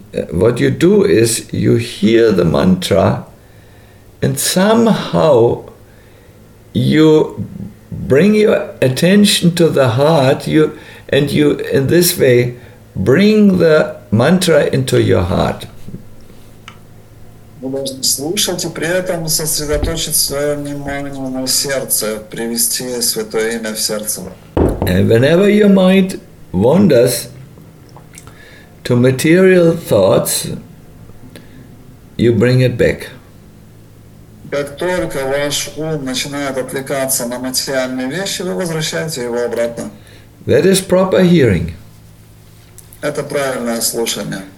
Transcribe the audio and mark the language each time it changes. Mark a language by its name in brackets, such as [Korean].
[English] What you do is you hear the mantra, and somehow you bring your attention to the heart. You in this way bring the mantra into your heart. [Russian] Вы должны слушать и при этом сосредоточить свое внимание на сердце, привести Святое Имя в сердце. [English] And whenever your mind wanders to material thoughts, you bring it back. [Russian] Как только ваш ум начинает отвлекаться на материальные вещи, вы возвращаете его обратно. [English] That is proper hearing. [Russian] Это правильное слушание.